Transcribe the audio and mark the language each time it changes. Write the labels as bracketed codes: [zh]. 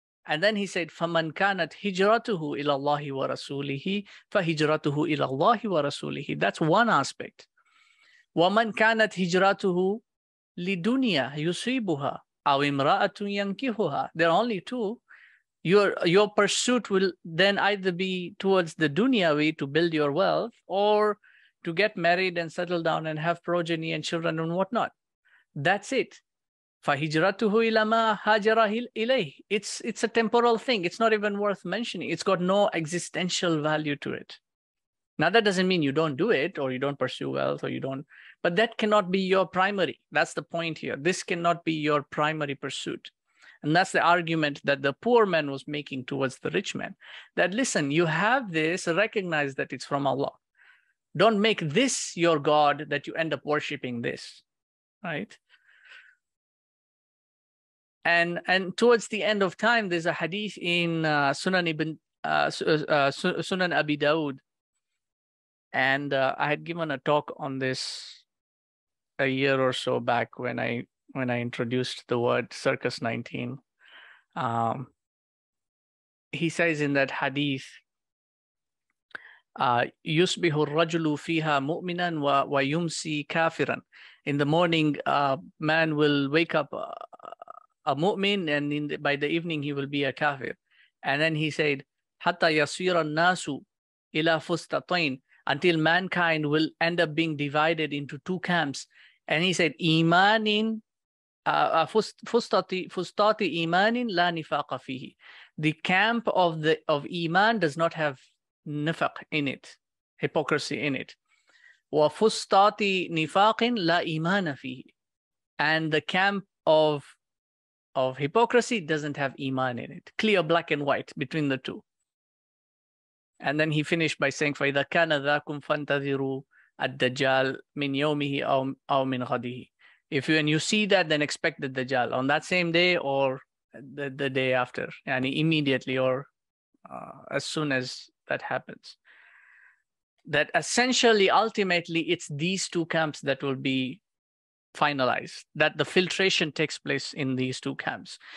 [en] And then he said, [ar] فمن كانت هجرته إلى الله ورسوله فهجرته إلى الله ورسوله. [en] That's one aspect. [ar] ومن كانت هجرته لدنيا يصيبها أو امرأة ينكحها. [en] There are only two. your pursuit will then either be towards the dunya way to build your wealth or to get married and settle down and have progeny and children and whatnot. That's it. [ar] فَهِجْرَتُهُ إِلَى مَا هَاجَرَ إِلَيْهِ [en] It's a temporal thing. It's not even worth mentioning. It's got no existential value to it. Now, that doesn't mean you don't do it or you don't pursue wealth or you don't, but that cannot be your primary. That's the point here. This cannot be your primary pursuit. And that's the argument that the poor man was making towards the rich man. That, listen, you have this, recognize that it's from Allah. Don't make this your God that you end up worshiping this, right? And towards the end of time, there's a hadith in Sunan Abi Dawud. And I had given a talk on this a year or so back when I introduced the word Circus 19. He says in that hadith, [ar] يُصْبِحُ الرَّجُلُ فِيهَا مُؤْمِنًا وَيُمْسِي كَافِرًا. [en] In the morning, man will wake up a mu'min, and by the evening, he will be a kafir. And then he said, [ar] حَتَّى يَصْوِرَ النَّاسُ إِلَى فُسْتَطَيْنِ. [en] Until mankind will end up being divided into two camps. And he said, [ar] إِيمَانٍ فُسْتَطِ إِيمَانٍ لَا نِفَاقَ فِيهِ. [en] The camp of Iman does not have nifaq in it, hypocrisy in it. [ar] وَفُسْتَطِ نِفَاقٍ لَا إِيمَانَ فِيهِ. [en] And the camp of hypocrisy doesn't have Iman in it. Clear black and white between the two. And then he finished by saying, [ar] فَإِذَا كَانَ ذَاكُمْ فَانْتَذِرُوا الدَّجَّالَ مِنْ يَوْمِهِ أَوْ مِنْ غَدِهِ. [en] If you, and you see that, then expect the Dajjal on that same day or the day after, yani immediately or as soon as that happens. That essentially, ultimately, it's these two camps that will be finalized, that the filtration takes place in these two camps.